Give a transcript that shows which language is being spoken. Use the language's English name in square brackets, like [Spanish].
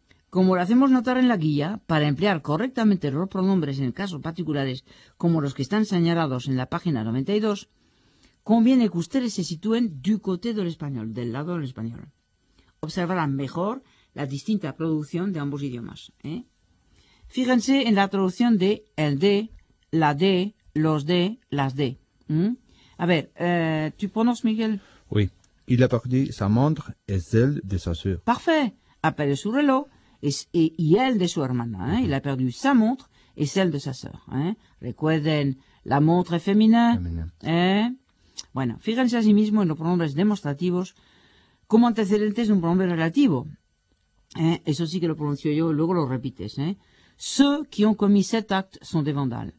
[Spanish] Como lo hacemos notar en la guía, para emplear correctamente los pronombres en casos particulares como los que están señalados en la página 92, conviene que ustedes se sitúen [French] du côté [Spanish] del español, del lado del español. Observarán mejor la distinta producción de ambos idiomas. Fíjense en la traducción de el de, la de, los de, las de. A ver, ¿tu pronombres, Miguel? [French] Oui. Il a perdu sa montre et celle de sa sœur. Parfait. A perdu [Spanish] su reloj. Y él de su hermana, ¿eh? Y la perdió su montre y [French] celle de [Spanish] su sœur, Recuerden, la montre femenina. Bueno, fíjense asimismo en los pronombres demostrativos como antecedentes de un pronombre relativo. Eso sí que lo pronuncio yo, luego lo repites. [French] Ceux qui ont commis cet acte sont des vandales.